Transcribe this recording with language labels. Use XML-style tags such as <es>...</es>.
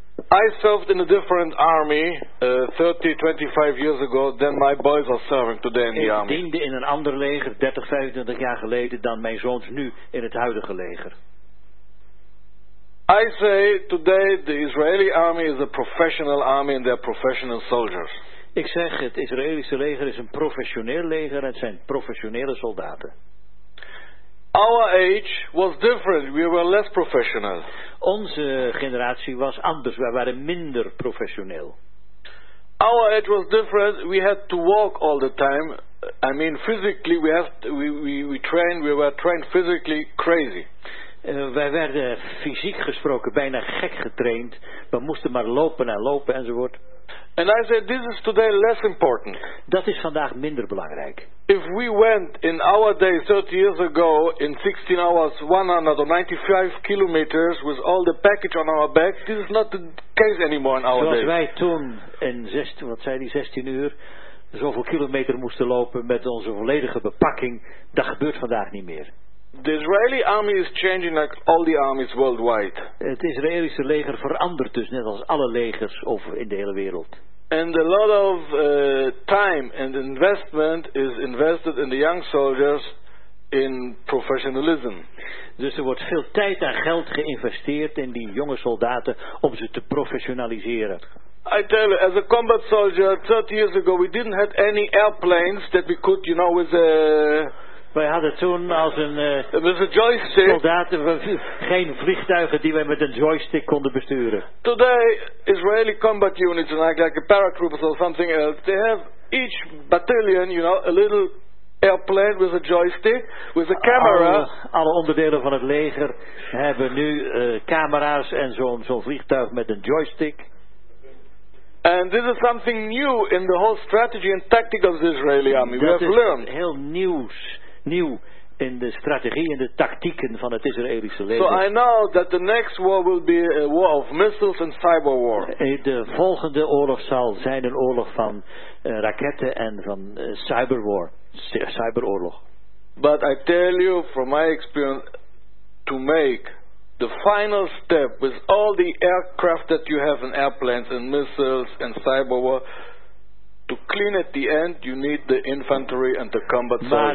<en>I served in a different army 25 years ago than my boys are serving today in the army.</en> <nl>Ik diende in een ander leger 30, 25 jaar geleden dan mijn zoons nu in het huidige leger.</nl> <en>I say today the Israeli army is a professional army and they are professional soldiers.</en> <nl>Ik zeg, het Israëlische leger is een professioneel leger en het zijn professionele soldaten.</nl> <en>Our age was different. We were less professional.</en> <nl>Onze generatie was anders. Wij waren minder professioneel.</nl> <en>Our age was different. We had to walk all the time. I mean, physically we had to, we trained. We were trained physically crazy.</en> <nl>Wij werden fysiek gesproken bijna gek getraind. We moesten maar lopen en lopen enzovoort.</nl> <en>And I said, this is today less important.</en> <nl>Dat is vandaag minder belangrijk.</nl> <en>If we went in our day 30 years ago in 16 hours 195 kilometers with all the package on our back, this is not the case anymore in our</en> <nl>zoals</nl> <en>day.</en> <nl>Zoals wij toen in 16, wat zei die 16 uur, zoveel kilometer moesten lopen met onze volledige bepakking, dat gebeurt vandaag niet meer.</nl> <en>The Israeli army is changing like all the armies worldwide.</en> <nl>Het Israëlische leger verandert dus net als alle legers over in de hele wereld.</nl> <en>And a lot of time and investment is invested in the young soldiers in professionalism.</en> <nl>Dus er wordt veel tijd en geld geïnvesteerd in die jonge soldaten om ze te professionaliseren.</nl> <en>I tell you, as a combat soldier, 30 years ago, we didn't have any airplanes that we could, you know, with a...</en> <nl>Wij hadden toen als een</nl> <en>joystick.</en> <nl>Soldaten geen vliegtuigen die wij met een joystick konden besturen.</nl> <en>Today Israeli combat units like a paratroopers or something else, they have each battalion, you know, a little airplane with a joystick with a camera.</en> <nl>Alle onderdelen van het leger hebben nu camera's en zo'n vliegtuig met een joystick.</nl> <en>And this is something new in the whole strategy and tactics of the Israeli army.</en> <nl>Dat</nl> <en>we have learned.</en> <nl>Heel nieuws. Nieuw in de strategie en de tactieken van het Israëlische leger.</nl> <en>So I know that the next war will be a war of missiles and cyber war.</en> <nl>De volgende oorlog zal zijn een oorlog van raketten en van cyber war, cyberoorlog.</nl> <en>But I tell you from my experience, to make the final step with all the aircraft that you have and airplanes and missiles and cyber war, to clean at the end, you need the infantry and the combat soldiers.</en>